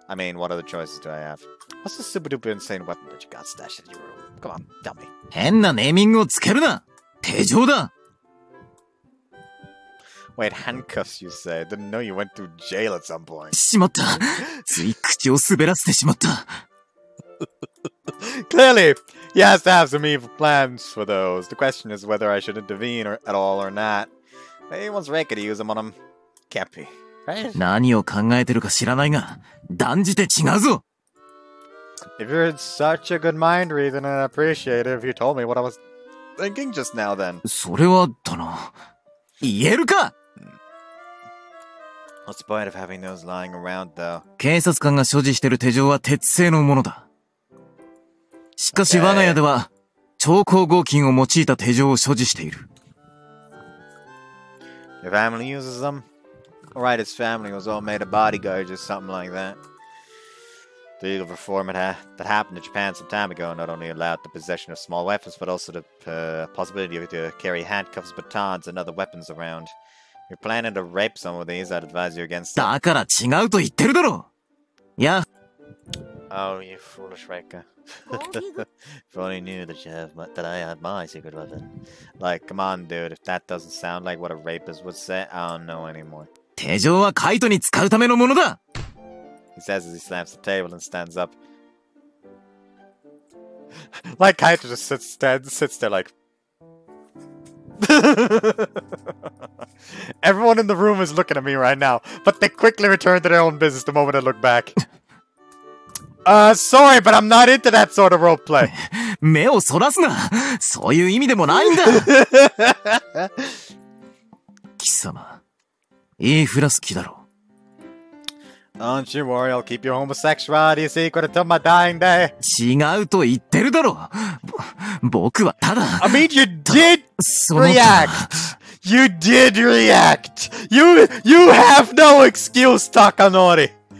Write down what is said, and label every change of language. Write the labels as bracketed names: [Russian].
[English] I mean, what other choices do I have? What's the super duper insane weapon that you got stashed in your room? Come on, tell me. [Japanese] 変なネーミングをつけるな。手錠だ! [English] Wait, handcuffs, you say? Didn't know you went through jail at some point. [Japanese] しまった! つい口を滑らせてしまった! [English] Clearly, he has to have some evil plans for those. The question is whether I should intervene or, at all or not. Maybe once Reika to use them on him. Can't be. Right? If you're in such a good mind reason, I'd appreciate it if you told me what I was thinking just now then. [Japanese] それはだな。言えるか? [English] What's the point of having those lying around, though? [Japanese] 警察官が所持している手錠は鉄製のものだ。しかし我が家では超高合金を用いた手錠を所持している。 [English] Your family uses them? Right, his family was all made of bodyguards or something like that. The legal reform that happened in Japan some time ago not only allowed the possession of small weapons, but also the possibility to carry handcuffs, batons, and other weapons around. If you're planning to rape some of these, I'd advise you against that. [Japanese] だから違うと言ってるだろ! [English] Yeah. Oh, you foolish Reika. If only you knew that you have that I have my secret weapon. Like, come on, dude. If that doesn't sound like what a rapist would say, I don't know anymore. [Japanese] 手錠はカイトに使うためのものだ! [English] He says as he slams the table and stands up. Like, Kaito just sits there like... Everyone in the room is looking at me right now, but they quickly return to their own business the moment I look back. Sorry, but I'm not into that sort of roleplay. [Japanese] 目をそらすな!そういう意味でもないんだ! 貴様、いいフラスキーだろ? [English] Don't you worry, I'll keep your homosexuality secret until my dying day. [Japanese] 違うと言ってるだろ!僕はただ... [English] I mean, you did react! You did react! You have no excuse, Takanori!